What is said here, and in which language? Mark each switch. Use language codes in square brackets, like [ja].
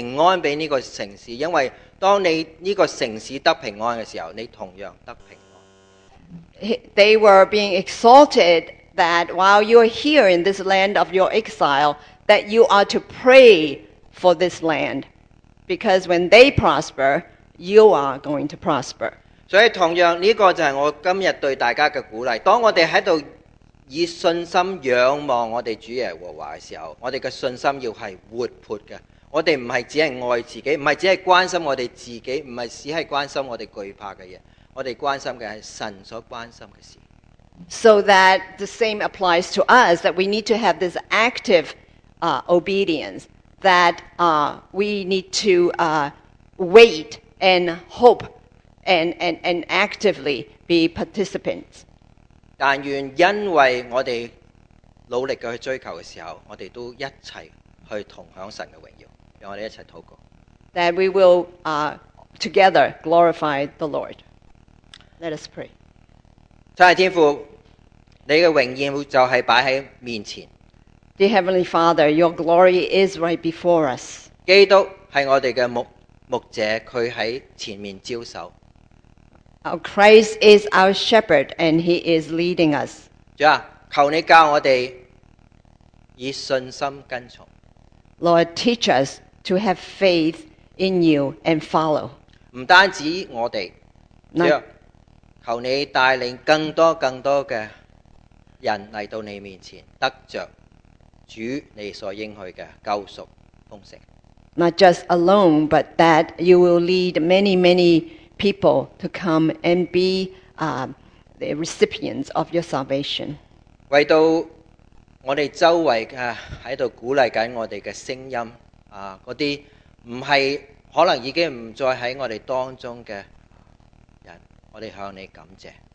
[zh] 他叫他的民在这个异地，这个被放逐的地方，你们要去为这个城市去祷告，求平安给这个城市，因为 当你这个城市得平安的时候，你同样得平安。 [en] They were being exalted that while you are here in this land of your exile, that you are to pray for this land. Because when they prosper, you are going to prosper. [zh] 所以同样，这个就是我今天对大家的鼓励。当我们在这里以信心仰望我们主耶和华的时候，我们的信心要是活泼的，我们不是只是爱自己，不是只是关心我们自己，不是只是关心我们惧怕的事，我们关心的是神所关心的事。 [en] So that the same applies to us, that we need to have this active obedience, that we need to wait and hope and actively be participants. [zh] 但愿因为我们努力去追求的时候，我们都一起去同享神的荣耀，让我们一起祷告。 [en] That we will together glorify the Lord. Let us pray. [zh] 亲爱的天父，你的荣耀就是摆在面前。 [en] Dear Heavenly Father, your glory is right before us. [zh] 基督是我们的牧者，他在前面招手。 [en] Our Christ is our shepherd, and he is leading us. [zh] 主啊，求你教我们以信心跟从。 [en] Lord, teach us to have faith in you and follow. [zh] 不单止我们，主啊，求你带领更多更多的人来到你面前，得着主你所应许的救赎丰盛。 [en] Not just alone, but that you will lead many, many people to come and be the recipients of your salvation. [zh] 为到我们周围的在鼓励我们的声音，那些不是可能已经不再在我们当中的人，我们向你感谢。